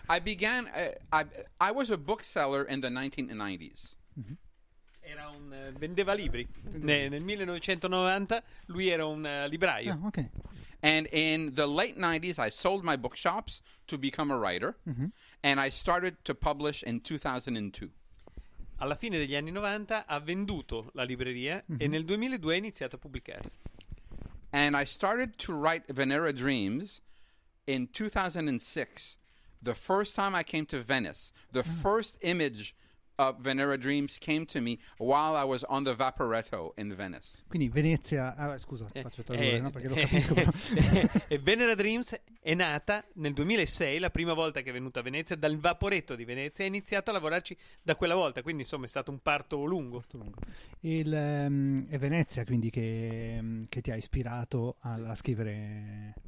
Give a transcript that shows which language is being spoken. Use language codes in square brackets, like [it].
[en] Okay. I was a bookseller in the 1990s. [it] Era un vendeva libri. Nel 1990 lui era un libraio. [en] Oh, okay. And in the late 90s I sold my bookshops to become a writer. Mm-hmm. And I started to publish in 2002. [it] Alla fine degli anni 90 ha venduto la libreria. Mm-hmm. E nel 2002 ha iniziato a pubblicare. [en] And I started to write Venera Dreams in 2006. The first time I came to Venice, the first image of Venera Dreams came to me while I was on the Vaporetto in Venice. [it] Quindi Venezia, scusa, faccio tradurre, no? Perché lo capisco. Venera Dreams è nata nel 2006, la prima volta che è venuta a Venezia, dal Vaporetto di Venezia, è iniziato a lavorarci da quella volta, quindi insomma è stato un parto lungo. È Venezia quindi che ti ha ispirato a scrivere?